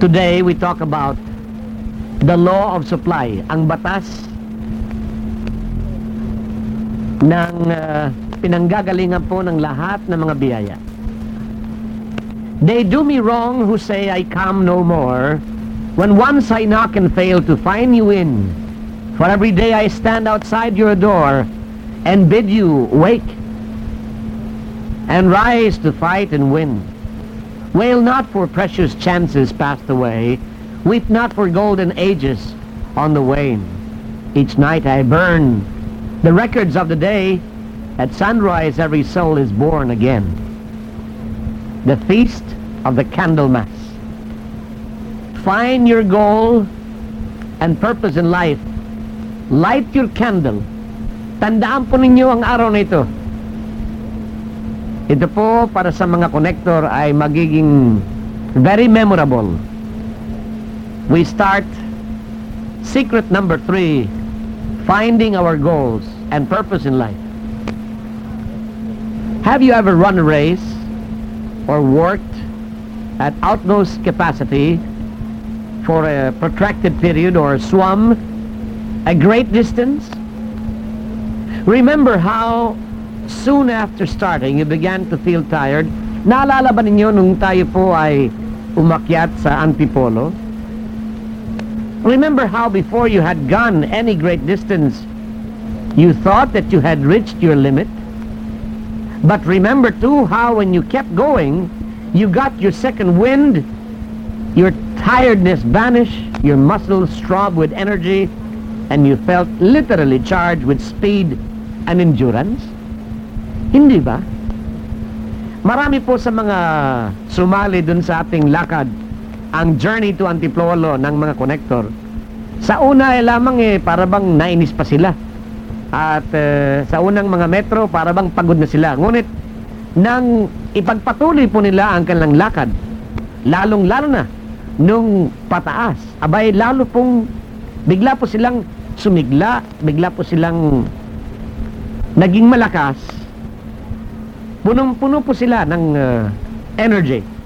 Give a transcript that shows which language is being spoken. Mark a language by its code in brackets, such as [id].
[en] Today we talk about the law of supply, [tl] ang batas ng pinanggagalingan po ng lahat ng mga biyaya. [en] They do me wrong who say I come no more, when once I knock and fail to find you in. For every day I stand outside your door and bid you wake and rise to fight and win. Wail not for precious chances passed away, weep not for golden ages on the wane. Each night I burn the records of the day, at sunrise every soul is born again. The feast of the Candlemas. Find your goal and purpose in life. Light your candle. [tl] Tandaan po ninyo ang araw na ito. Ito po para sa mga connector ay magiging very memorable. [en] We start secret number 3, finding our goals and purpose in life. Have you ever run a race or worked at utmost capacity for a protracted period or swum a great distance? Remember how soon after starting you began to feel tired? [tl] Naalala ba ninyo nung tayo po ay umakyat sa Antipolo? [en] Remember how before you had gone any great distance, you thought that you had reached your limit? But remember too how when you kept going, you got your second wind, your tiredness vanished, your muscles throbbed with energy, and you felt literally charged with speed and endurance? [tl] Hindi ba? Marami po sa mga sumali dun sa ating lakad, ang journey to Antipolo ng mga connector. Sa una ay lamang parabang nainis pa sila. At sa unang mga metro, parabang pagod na sila. Ngunit, nang ipagpatuloy po nila ang kanilang lakad, lalong-lalo na nung pataas, abay lalo pong bigla po silang sumigla, bigla po silang naging malakas, punong-puno po sila ng energy.